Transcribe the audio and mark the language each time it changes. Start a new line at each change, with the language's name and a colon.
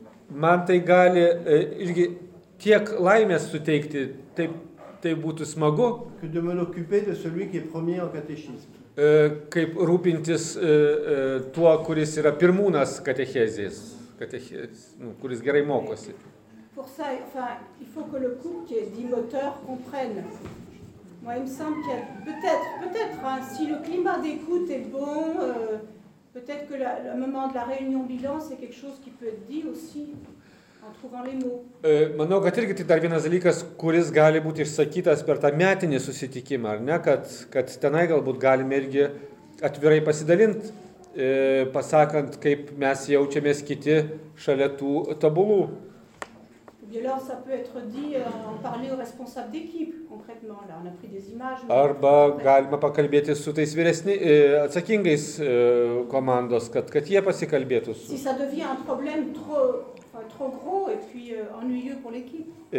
Lithuanian: Man tai gali irgi tiek laimės suteikti, tai būtų smagu.
French: Que de me l'occuper de celui qui est premier en catéchisme.
Lithuanian: Kaip rūpintis tuo, kuris yra pirmūnas katechezės, kuris gerai mokosi.
French: Pour ça, enfin, il faut que le couple qui est dit moteur comprenne. Moi, il me semble qu'il y a peut-être, hein, si le climat d'écoute est bon, peut-être que le moment de la réunion bilan, c'est quelque chose qui peut être dit aussi en trouvant les mots.
Lithuanian: Manau, kad irgi tai dar vienas dalykas, kuris gali būti išsakytas per tą metinį susitikimą, ar ne, kad tenai galbūt galime irgi atvirai pasidalinti, pasakant, kaip mes jaučiamės kiti šalia tų tabulų.
French: Alors ça peut être dit en parler au responsable d'équipe concrètement là on a pris des images
Lithuanian: arba galima pakalbėti su tais vyresni atsakingais komandos kad jie pasikalbėtų su
French: si ça devient un problème trop gros et puis ennuyeux pour l'équipe